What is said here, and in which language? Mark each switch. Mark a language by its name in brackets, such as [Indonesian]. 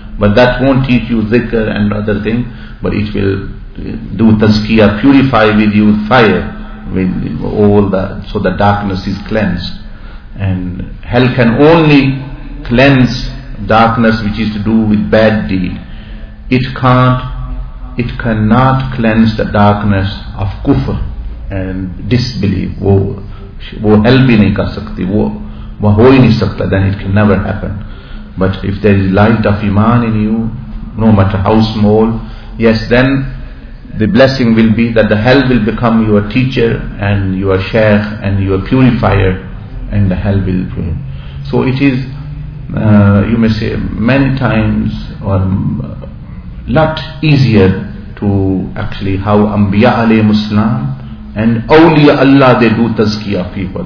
[English] But that won't teach you zikr and other things, but it will do tazkiyah, purify with you fire, with all the, so the darkness is cleansed. And hell can only cleanse darkness which is to do with bad deed. It cannot cleanse the darkness of kufr and disbelief. [Urdu] وہ heel بھی نہیں کر سکتی, وہ ہو ہی نہیں سکتا. [English] Then it can never happen. But if there is light of iman in you, no matter how small, yes, then the blessing will be that the hell will become your teacher and your sheikh and your purifier, and the hell will be. So it is, you may say, many times or lot easier to actually how Anbiya alayhi muslim and awliya Allah they do tazkiya people.